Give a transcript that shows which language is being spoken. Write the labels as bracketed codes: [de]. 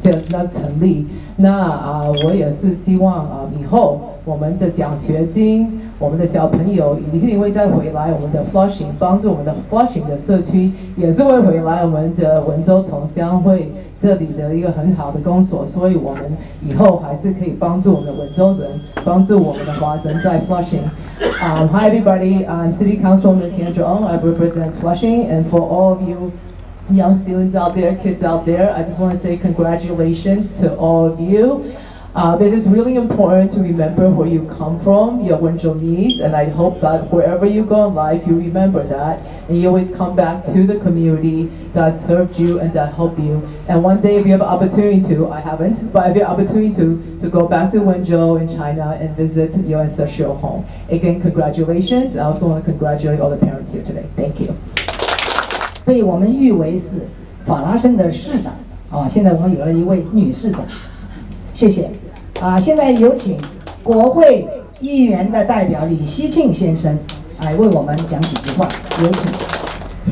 [zh] 那成立，那我也是希望以后我们的奖学金，我们的小朋友一定会再回来我们的 Flushing， 帮助我们的 Flushing 的社区，也是会回来我们的温州同乡会这里的一个很好的工作，所以我们以后还是可以帮助我们的温州人，帮助我们的华人在 Flushing。 [en] Hi everybody, I'm City Councilwoman Sandra Ong. I represent Flushing, and for all of you young students out there, kids out there, I just want to say congratulations to all of you. It is really important to remember where you come from, your Wenzhouese, and I hope that wherever you go in life, you remember that, and you always come back to the community that served you and that helped you. And one day, if you have an opportunity to, I haven't, but if you have an opportunity to go back to Wenzhou in China and visit your ancestral home. Again, congratulations. I also want to congratulate all the parents here today. Thank you. [zh] 被我们誉为是法拉盛的市长啊，现在我们有了一位女市长，谢谢。现在有请国会议员的代表李希庆先生来为我们讲几句话，有请。